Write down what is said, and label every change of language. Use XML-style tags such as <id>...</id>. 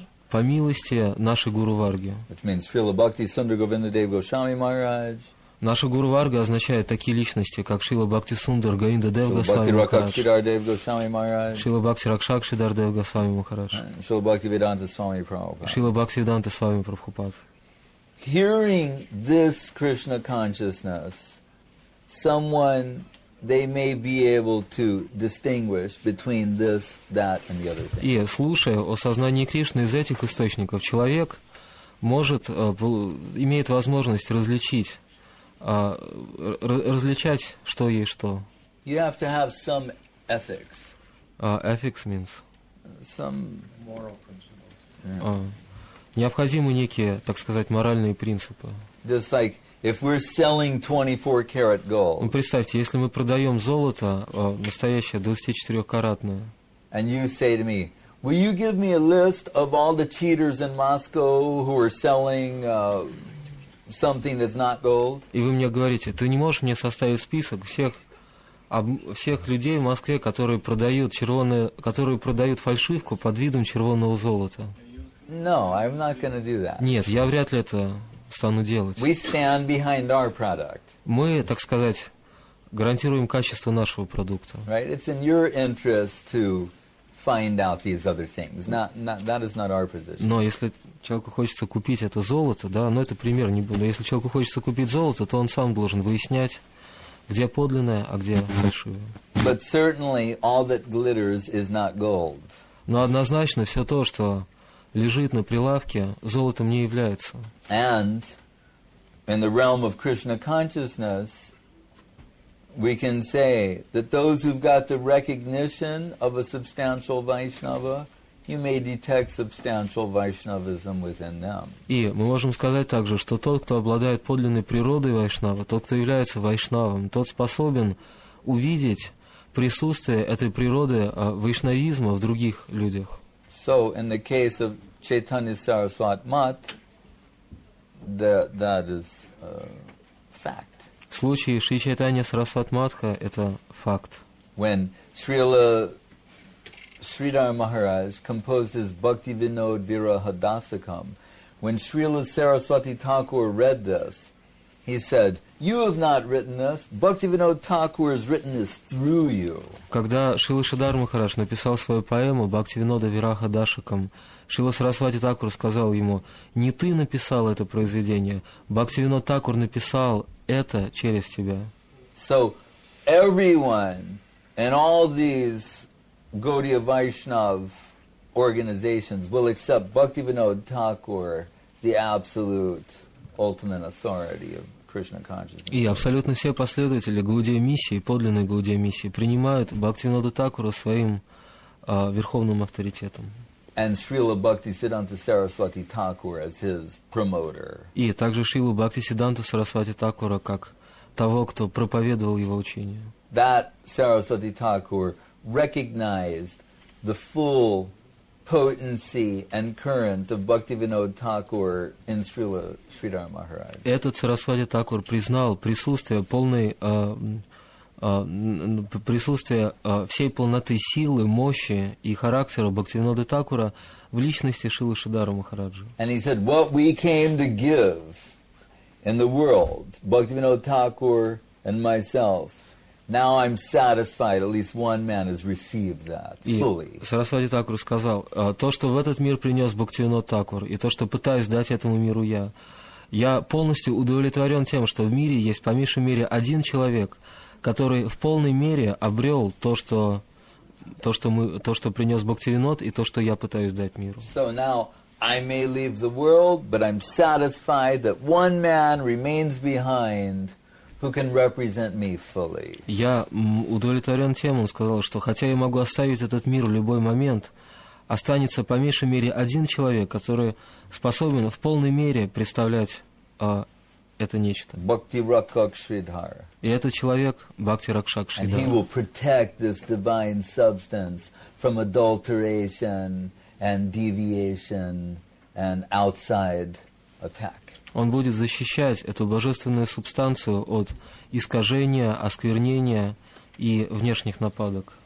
<ru>По милости нашей Гуру Варги.</ru> <en>Which means Srila Bhakti Sundar Govindadev Goswami Maharaj.</en> <ru>Наша Гуру Варга означает такие личности, как Шрила Бхакти Сундар, Говинда Дев Госвами Махарадж, Шрила Бхакти Ракшак Шридар Дев Госвами Махарадж, Шрила Бхакти Веданта Свами Прабхупад.</ru> <en>Hearing this Krishna consciousness, someone they may be able to distinguish between this, that, and the other thing.</en> <ru>И слушая о сознании Кришны из этих источников, человек имеет возможность различать, что есть что.</ru> <en>You have to have some ethics. Ethics means some moral principles. Yeah.</en> <ru>Необходимы некие, так сказать, моральные принципы.</ru> <en>Just like if we're selling 24-karat gold.</en> <ru>Ну, представьте, если мы продаем золото, настоящее 24-каратное.</ru> <en>And you say to me, will you give me a list of all the cheaters in Moscow who are selling something that's not gold?</en> <ru>И вы мне говорите, ты не можешь мне составить список всех людей в Москве, которые продают фальшивку под видом червонного золота?</ru> <en>No, I'm not going to do that.</en> <ru>Нет, я вряд ли это стану делать.</ru> <en>We stand behind our product.</en> <ru>Мы, так сказать, гарантируем качество нашего продукта.</ru> <en>Right? It's in your interest to find out these other things. Not that is not our position.</en> <ru>Но если человеку хочется купить это золото, да, но это пример не буду. Если человеку хочется купить золото, то он сам должен выяснять, где подлинное, а где фальшивое.</ru> <en>But certainly all that glitters is not gold.</en> <ru>Но однозначно все то, что лежит на прилавке, золотом не является.</ru> <en>And in the realm of Krishna consciousness, we can say that those who've got the recognition of a substantial Vaishnava, you may detect substantial Vaishnavism within them.</en> <ru>И мы можем сказать также, что тот, кто обладает подлинной природой Вайшнава, тот, кто является Вайшнавом, тот способен увидеть присутствие этой природы Вайшнавизма в других людях.</ru> <en>So in the case of Chaitanya Saraswat Mat, that is fact.</en> <ru>В случае Шри Чайтанья Сарасват Матха это факт.</ru> <en>When Sridhar Maharaj composed his Bhakti Vinod Viraha Dasakam, when Srila Saraswati Thakur read this, he said, "You have not written this. Bhakti Vinod Thakur has written this through you."</en> <ru>Когда Шрила Шридхар Махарадж написал свою поэму Бхакти Винода Вираха Дашакам, Шрила Сарасвати Такур сказал ему: "Не ты написал это произведение. Бхакти Винод Такур написал это через тебя."</ru> <en>So everyone and all these Gaudiya Vaishnav organizations will accept Bhakti Vinod Thakur the absolute ultimate authority of Krishna consciousness.</en> <ru>И абсолютно все последователи Гаудия миссии, подлинной Гаудия миссии, принимают Бхактивинода Такура своим верховным авторитетом.</ru> <en>And Srila Bhakti Siddhanta Saraswati Thakur as his promoter.</en> <ru>И также Шрилу Бхакти Сидданту Сарасвати Такура как того, кто проповедовал его учение.</ru> <en>That Saraswati Thakur recognized the full potency and current of Bhaktivinoda Thakur in Srila Sridhar Maharaj.</en> <ru>Этот Сарасвати Такур признал присутствие всей полноты силы, мощи и характера Бхактивинода Такура в личности Шрилы Шридхара Махараджи.</ru> <en>And he said, what we came to give in the world, Bhaktivinoda Thakur and myself, now I'm satisfied, at least one man has received that fully.</en> <ru>Сарасвати Такур сказал, то, что в этот мир принес Бхактивинод Такур, и то, что пытаюсь дать этому миру я полностью удовлетворен тем, что в мире есть по меньшей мере один человек, который в полной мере обрел то, что принес Бхактивинод, и то, что я пытаюсь дать миру.</ru> <en>So now I may leave the world, but I'm satisfied that one man remains behind who can represent me fully.</en> <ru>Я удовлетворен тем, он сказал, что хотя я могу оставить этот мир в любой момент, останется по меньшей мере один человек, который способен в полной мере представлять это нечто. Бхакти Ракшак Шридхар. И этот человек Бхакти Ракшак Шридхар.</ru> <en>And he will protect this divine substance from adulteration and deviation and outside attack.</en> <ru>Он будет защищать эту божественную субстанцию от искажения, осквернения и внешних нападок.</ru>